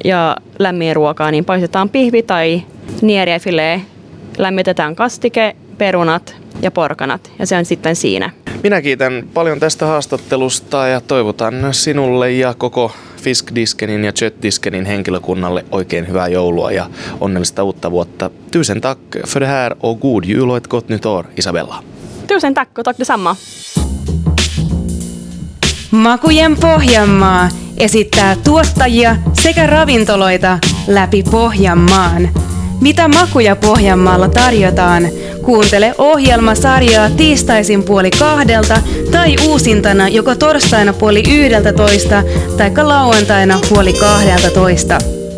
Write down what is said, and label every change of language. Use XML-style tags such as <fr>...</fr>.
<fi>Ja lämmin ruokaa niin paistetaan pihvi tai nieriäfilee, lämmitetään kastike, perunat ja porkanat, ja se on sitten siinä. Minä kiitän paljon tästä haastattelusta ja toivotan sinulle ja koko Fiskdiskenin ja Köttdiskenin henkilökunnalle oikein hyvää joulua ja onnellista uutta vuotta.</fi> <sv>Tusen tack för det här och god jul och ett gott nytt år, Isabella. Tusen tack och tack detsamma.</sv> <fi>Makujen Pohjanmaa esittää tuottajia sekä ravintoloita läpi Pohjanmaan. Mitä makuja Pohjanmaalla tarjotaan? Kuuntele ohjelmasarjaa tiistaisin 12:30 tai uusintana joko torstaina 11:30 tai lauantaina 12:30.</fi>